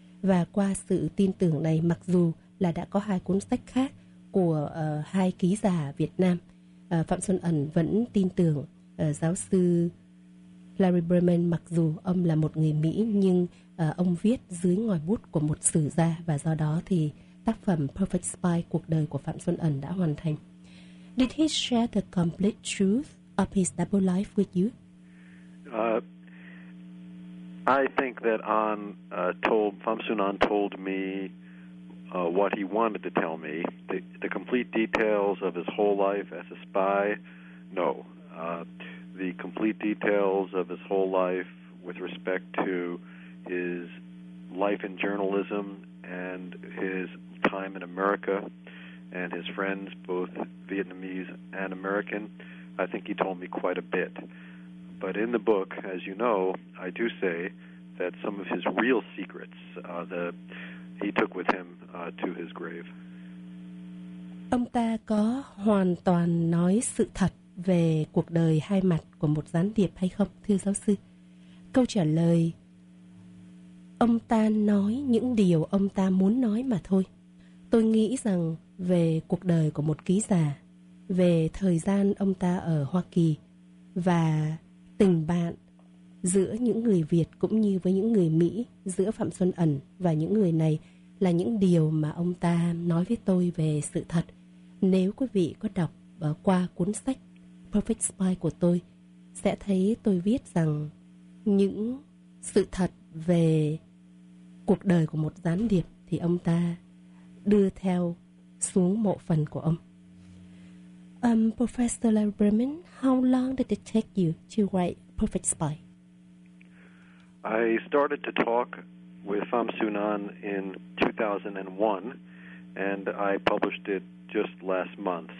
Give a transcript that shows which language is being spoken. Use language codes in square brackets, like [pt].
[vi] Và qua sự tin tưởng này, mặc dù là đã có hai cuốn sách khác của hai ký giả Việt Nam, Phạm Xuân Ẩn vẫn tin tưởng giáo sư Larry Berman, mặc dù ông là một người Mỹ nhưng ông viết dưới ngòi bút của một sử gia, và do đó thì tác phẩm Perfect Spy, cuộc đời của Phạm Xuân Ẩn đã hoàn thành. [en] Did he share the complete truth of his double life with you? I think that Phạm Xuân Ẩn told me what he wanted to tell me. The complete details of his whole life as a spy, no. The complete details of his whole life with respect to his life in journalism and his time in America and his friends, both Vietnamese and American, I think he told me quite a bit. But in the book, as you know, I do say that some of his real secrets he took with him to his grave. [vi] Ông ta có hoàn toàn nói sự thật về cuộc đời hai mặt của một gián điệp hay không, thưa giáo sư? Câu trả lời, ông ta nói những điều ông ta muốn nói mà thôi. Tôi nghĩ rằng về cuộc đời của một ký giả, về thời gian ông ta ở Hoa Kỳ và tình bạn giữa những người Việt cũng như với những người Mỹ, giữa Phạm Xuân Ẩn và những người này là những điều mà ông ta nói với tôi về sự thật. Nếu quý vị có đọc qua cuốn sách Perfect Spy của tôi, sẽ thấy tôi viết rằng những sự thật về cuộc đời của một gián điệp thì ông ta đưa theo xuống mộ phần của ông. [en] Professor Lieberman, how long did it take you to write Perfect Spy? I started to talk with Pham Xuân Ẩn in 2001, and I published it just last month.